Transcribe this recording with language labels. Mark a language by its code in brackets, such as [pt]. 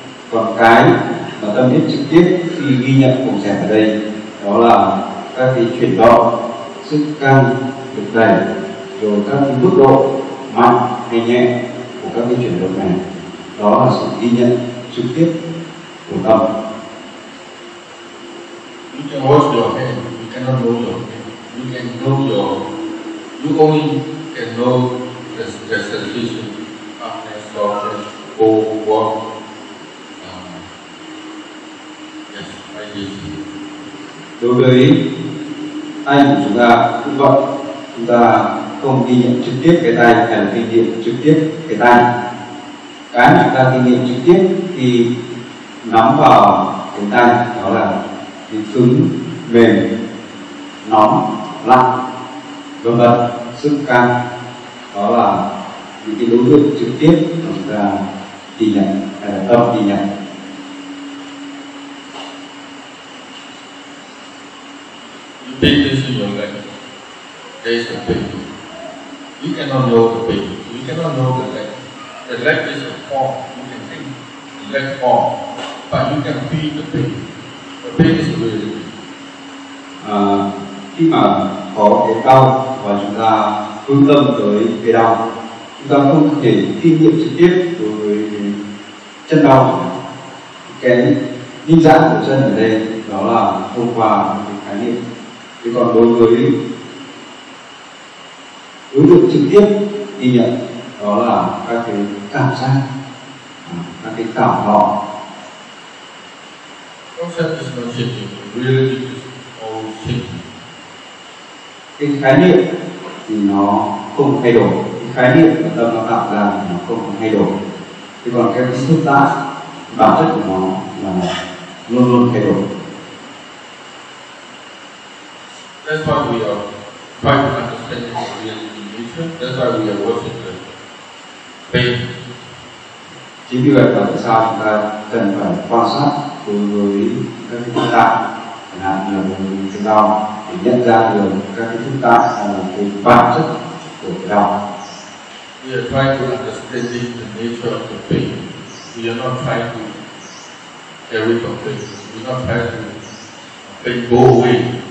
[vi] Còn cái mà ta biết trực tiếp khi ghi nhận phòng sạch ở đây, đó là các cái chuyển động, sức căng, lực đẩy, rồi các cái mức độ mạnh hay nhẹ của các cái chuyển động này, đó là sự ghi nhận trực tiếp của tâm. [en] You can watch your hand, you cannot know your hand. You can know your, you only can know the sensation, hardness, softness, cold, warm. Yes, I did. [vi] Đối với tay của chúng ta cũng vậy, chúng ta không ghi nhận trực tiếp cái tay hay là ghi nhận trực tiếp cái tay. Cái chúng ta ghi nhận trực tiếp thì nóng vào cánh tay, đó là thịt cứng, mềm, nóng, lạnh, vân vân, sức căng, đó là những cái đối tượng trực tiếp chúng ta ghi nhận, tâm ghi nhận. Bình tĩnh như vậy, đây là bình. [en] You cannot know the pain. You cannot know the leg. The leg is a form. You can think the leg form, but you can feel the pain. The pain is really pain. [vi] Khi mà có cái đau và chúng ta quan tâm tới cái đau, chúng ta không thể kinh nghiệm trực tiếp đối với chân đau. Cái linh giác của chân ở đây đó là thông qua cái khái niệm. Thế còn đối với đối tượng trực tiếp ghi nhận đó là các cái cảm giác, các cái cảm thọ. [en] Concept is not shifting, reality is all shifting. [vi] Cái khái niệm thì nó không thay đổi, cái khái niệm mà tâm nó tạo ra thì nó không thay đổi. Thế còn các cái xúc tác, bản chất của nó là luôn luôn thay đổi. [en] That's why we are trying to understand the reality in nature. That's why we are working the pain. [vi] Chính vì vậy tại sao chúng ta cần phải quan sát đối với các cái thức tạng, chẳng hạn như là một người chúng ta để nhận ra được các cái thức tạng là cái bản chất của cái đau. [en] We are trying to understand the nature of the pain. We are not trying to get rid of pain. We are not trying to make it go away.